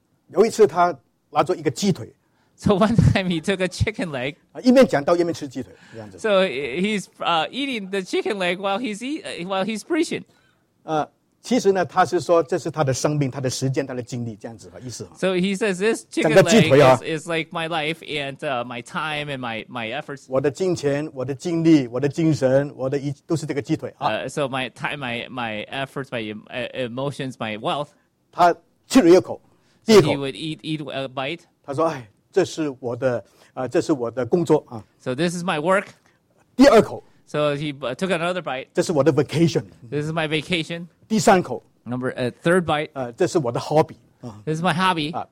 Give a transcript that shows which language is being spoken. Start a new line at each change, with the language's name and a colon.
Chinese: 有一次他拿着一个鸡腿。
English: So one time he took a chicken leg.
Chinese: 一面讲到一面吃鸡腿，这样子。
English: So he's eating the chicken leg while he's preaching.
Chinese: 其实呢，他是说这是他的生命、他的时间、他的精力，这样子意思。
English: So he says this chicken leg is like my life and my time and my efforts.
Chinese: 我的金钱、我的精力、我的精神、我的都是这个鸡腿啊。
English: So my time, my efforts, my emotions, my wealth.
Chinese: 他吃了一口，第一口。
English: He would eat a bite.
Chinese: 他说：“哎，这是我的这是我的工作啊。
English: ”So this is my work.
Chinese: 第二口。
English: So he took another bite.
Chinese: 这是我的 vacation.
English: This is my vacation.
Chinese: 第三口
English: third bite.
Chinese: 这是我的 hobby.
English: This is my hobby.